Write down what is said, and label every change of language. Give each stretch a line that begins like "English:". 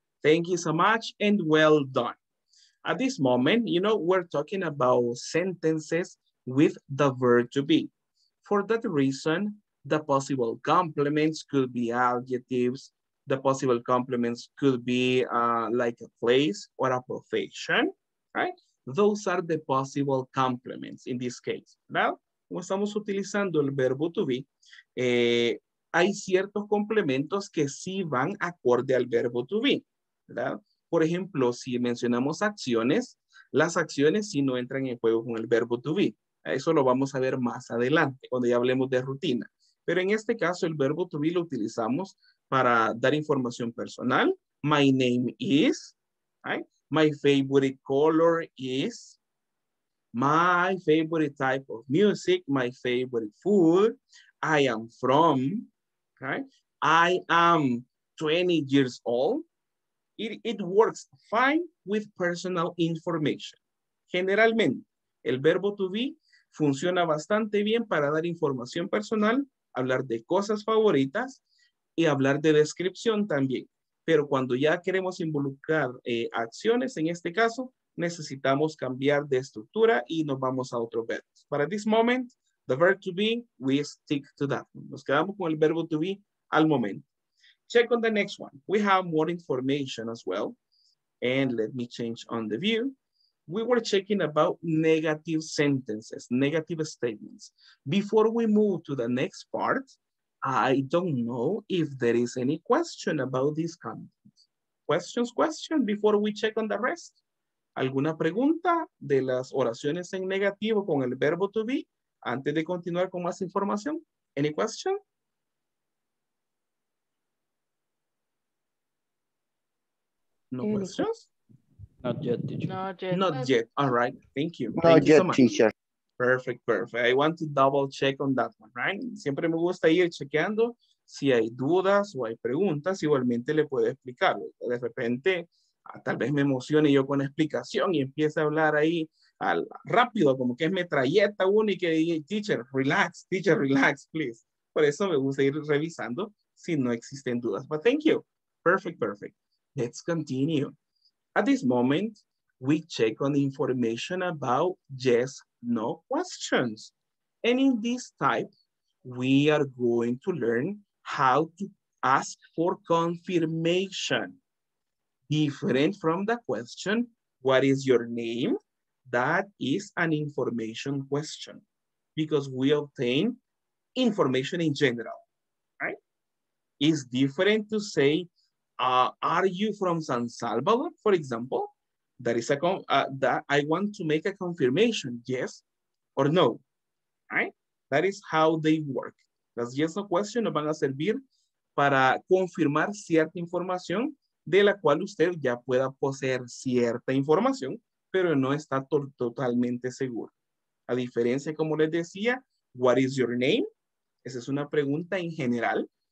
English: Thank you so much and well done. At this moment, you know, we're talking about sentences with the verb to be. For that reason, the possible complements could be adjectives. The possible complements could be like a place or a profession, right? Those are the possible complements in this case.
Spanish: Now, como estamos utilizando el verbo to be, hay ciertos complementos que sí van acorde al verbo to be, ¿verdad? Por ejemplo, si mencionamos acciones, las acciones sí no entran en juego con el verbo to be. Eso lo vamos a ver más adelante, cuando ya hablemos de rutina. Pero en este caso, el verbo to be lo utilizamos para dar información personal.
English: My name is, right? My favorite color is, my favorite type of music, my favorite food, I am from, okay? I am 20 years old. It works fine with personal information.
Spanish: Generalmente, el verbo to be funciona bastante bien para dar información personal, hablar de cosas favoritas y hablar de descripción también. Pero cuando ya queremos involucrar acciones, en este caso, necesitamos cambiar de estructura y nos vamos a otro verbo.
English: But at this moment, the verb to be, we stick to that.
Spanish: Nos quedamos con el verbo to be al momento.
English: Check on the next one. We have more information as well. And let me change on the view. We were checking about negative sentences, negative statements. Before we move to the next part, I don't know if there is any question about this content. Question before we check on the rest.
Spanish: ¿Alguna pregunta de las oraciones en negativo con el verbo to be antes de continuar con más información?
English: Any question? No questions? Not yet, teacher. All right, thank you. Thank you so much, teacher. Perfect. I want to double check on that one, right?
Spanish: Siempre me gusta ir chequeando si hay dudas o hay preguntas, igualmente le puedo explicar. De repente, tal vez me emocione yo con la explicación y empiece a hablar ahí rápido, como que es metralleta uno y que diga,
English: teacher, relax, please.
Spanish: Por eso me gusta ir revisando si no existen dudas.
English: But thank you. Perfect. Let's continue. At this moment, we check on information about yes, no questions. And in this type, we are going to learn how to ask for confirmation. Different from the question, what is your name? That is an information question because we obtain information in general, right? it's different to say, are you from San Salvador, for example? That is a that I want to make a confirmation, yes or no, right? That is how they work.
Spanish: Las yes no question nos van a servir para confirmar cierta información de la cual usted ya pueda poseer cierta información, pero no está totalmente seguro. A diferencia, como les decía,
English: what is your name?
Spanish: Esa es una pregunta en general.